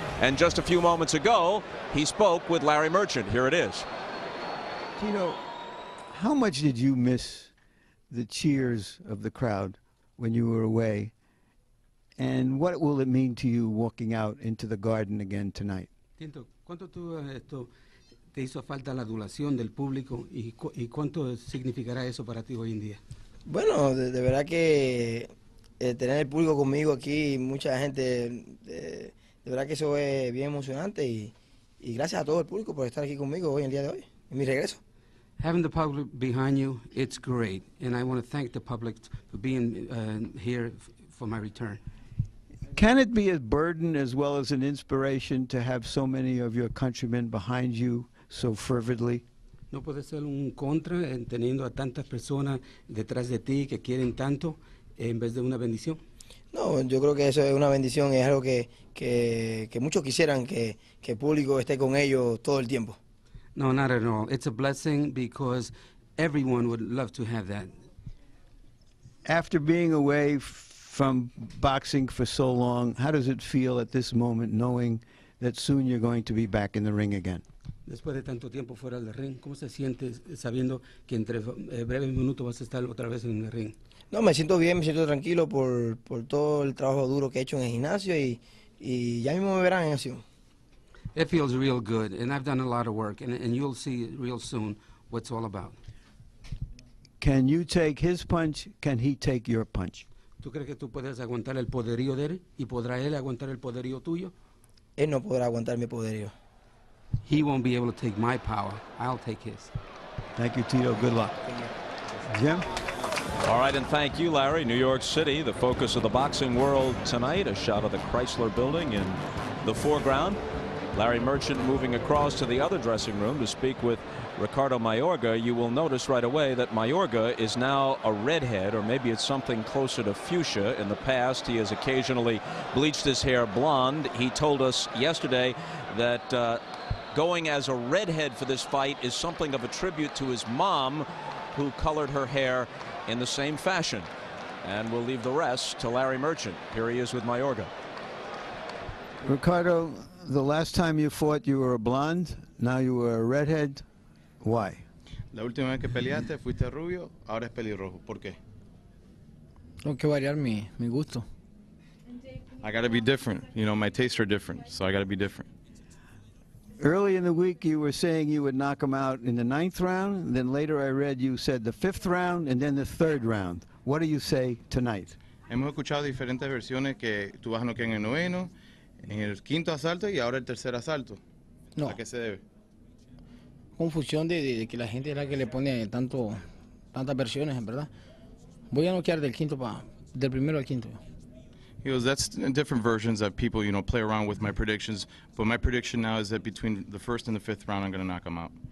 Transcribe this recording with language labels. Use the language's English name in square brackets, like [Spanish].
[English] And just a few moments ago, he spoke with Larry Merchant. Here it is. Tito, how much did you miss the cheers of the crowd when you were away? And what will it mean to you walking out into the garden again tonight? [Spanish] Tito, ¿cuánto tú esto te hizo falta la adulación del público y cuánto significará eso para ti hoy en día? Bueno, de verdad que tener el público conmigo aquí, mucha gente, de verdad que eso es bien emocionante y gracias a todo el público por estar aquí conmigo hoy, el día de hoy, en mi regreso. [English] Having the public behind you, it's great. And I want to thank the public for being here for my return. Can it be a burden as well as an inspiration to have so many of your countrymen behind you so fervidly? [Spanish] No puede ser un contra en teniendo a tantas personas detrás de ti que quieren tanto en vez de una bendición. No, yo creo que eso es una bendición, es algo que muchos quisieran que el público esté con ellos todo el tiempo. [English] No, not at all. It's a blessing because everyone would love to have that. After being away from boxing for so long, how does it feel at this moment knowing that soon you're going to be back in the ring again? [Spanish] Después de tanto tiempo fuera del ring, ¿cómo se siente sabiendo que entre breves minutos vas a estar otra vez en el ring? No, me siento bien, me siento tranquilo por todo el trabajo duro que he hecho en el gimnasio y ya mismo me verán en acción. [English] It feels real good, and I've done a lot of work, and you'll see real soon what's all about. Can you take his punch? Can he take your punch? [Spanish] ¿Tú crees que tú puedes aguantar el poderío de él y podrá él aguantar el poderío tuyo? Él no podrá aguantar mi poderío. [English] He won't be able to take my power. I'll take his. Thank you, Tito. Good luck. Jim? All right, and thank you, Larry. New York City, the focus of the boxing world tonight. A shot of the Chrysler Building in the foreground. Larry Merchant moving across to the other dressing room to speak with Ricardo Mayorga. You will notice right away that Mayorga is now a redhead, or maybe it's something closer to fuchsia. In the past, he has occasionally bleached his hair blonde. He told us yesterday that going as a redhead for this fight is something of a tribute to his mom, who colored her hair in the same fashion. And we'll leave the rest to Larry Merchant. Here he is with Mayorga. Ricardo, the last time you fought, you were a blonde. Now you were a redhead. Why? [Spanish] La última vez que peleaste fuiste rubio, ahora es pelirrojo. ¿Por qué? Tengo que variar mi gusto. [English] I got to be different. You know, my tastes are different, so I got to be different. Early in the week, you were saying you would knock him out in the ninth round. And then later I read you said the fifth round and then the third round. What do you say tonight? [Spanish] Hemos escuchado diferentes versiones que tú vas a noquear en el noveno, en el quinto asalto y ahora el tercer asalto. No. ¿A qué se debe? Confusión de que la gente es la que le pone tantas versiones, ¿verdad? Voy a noquear del primero al quinto. [English] He goes, that's different versions that people, you know, play around with my predictions. But my prediction now is that between the first and the fifth round, I'm going to knock him out.